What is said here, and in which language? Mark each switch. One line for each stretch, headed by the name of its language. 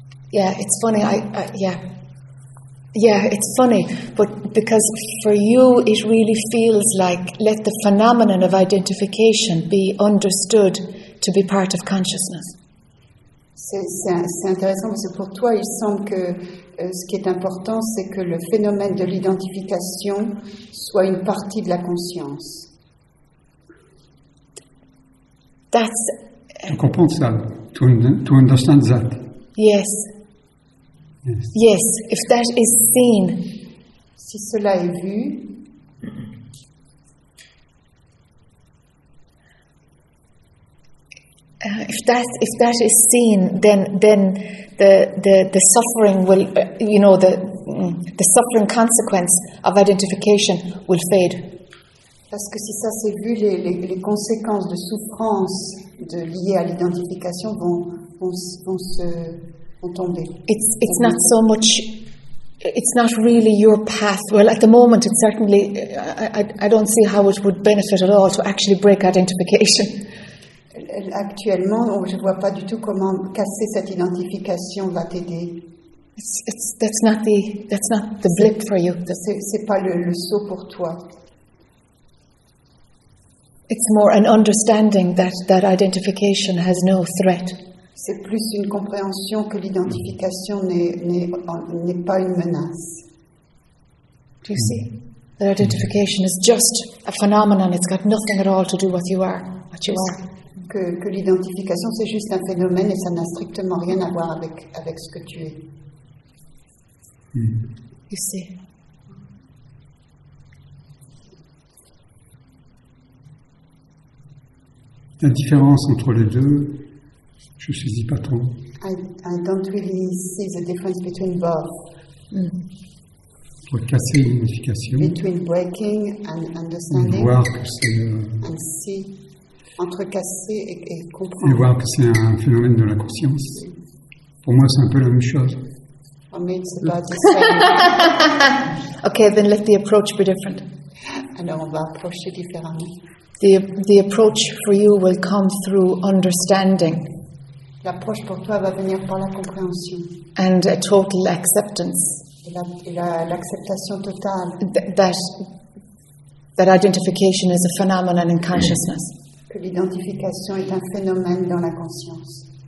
English: Yeah, it's funny. Yeah, it's funny, but because for you it really feels like let the phenomenon of identification be understood to be part of consciousness.
French: C'est intéressant parce que pour toi il semble que ce qui est important c'est que le phénomène de l'identification soit une partie de la conscience.
English: That's.
French: Tu comprends ça?
English: To understand that? Yes. Yes, if that is seen.
French: Si cela est vu.
English: If that is seen, then the suffering will, you know, the suffering consequence of identification will fade.
French: Parce que si ça c'est vu, les conséquences de souffrance de liées à l'identification vont se tomber.
English: It's not so much. It's not really your path. Well, at the moment, it certainly. I don't see how it would benefit at all to actually break identification.
French: Actuellement, je vois pas du tout comment casser cette identification va t'aider.
English: That's not the blip for you.
French: C'est pas le saut pour toi.
English: It's more an understanding that identification has no threat.
French: C'est plus une compréhension que l'identification n'est pas une menace.
English: Do you see? That identification is just a phenomenon. It's got nothing at all to do with what you are.
French: Que l'identification, c'est juste un phénomène et ça n'a strictement rien à voir avec ce que tu es.
English: You see?
French: La différence entre les deux. Je ne saisis pas trop.
English: I don't really see the difference between both.
French: Pour casser l'identification.
English: Between breaking and understanding.
French: Et voir que c'est.
English: And see.
French: Entre casser et comprendre. Et voir que c'est un phénomène de la conscience. Pour moi, c'est un peu la même chose.
English: For me, it's about the same. Okay, then let the approach be different.
French: Alors, on va approcher différemment.
English: The approach for you will come through understanding.
French: L'approche pour toi va venir par la compréhension.
English: And a total acceptance.
French: L'acceptation totale.
English: That identification is a phenomenon in consciousness.
French: Que l'identification est un phénomène dans la conscience.